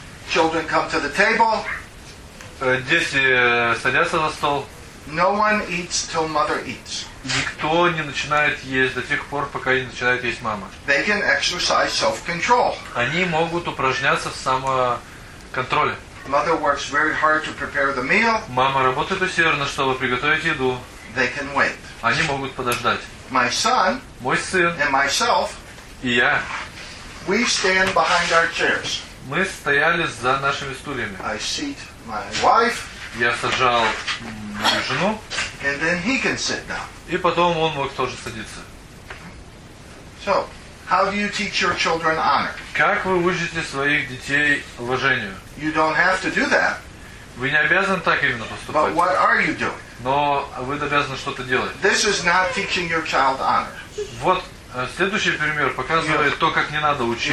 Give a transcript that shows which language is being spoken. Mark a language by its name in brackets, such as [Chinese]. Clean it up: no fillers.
[English] Children come to the table. [Russian] Дети садятся за стол. [English] No one eats till mother eats. [Russian] Никто не начинает есть до тех пор, пока не начинает есть мама. [English] They can exercise self-control. [Russian] Они могут упражняться в самоконтроле. [English] Mother works very hard to prepare the meal. [Russian] Мама работает усердно, чтобы приготовить еду. [English] They can wait. [Russian] Они могут подождать. [English] My son, [Russian] мой сын, [English] and myself, [Russian] и я, [English] we stand behind our chairs. [Russian] Мы стояли за нашими стульями. [English] I seat my wife, [Russian] я сажал мою жену, [English] and then he can sit down. [Russian] И потом он мог тоже садиться. [English] So, how do you teach your children honor? [Russian] Как вы учите своих детей уважению? [English] You don't have to do that. [Russian] Вы не обязаны так именно поступать. [English] But what are you doing? [Russian] Но вы обязаны что-то делать. [English] This is not teaching your child honor. [Russian] Вот следующий пример показывает [English] your, [Russian] то, как не надо учить.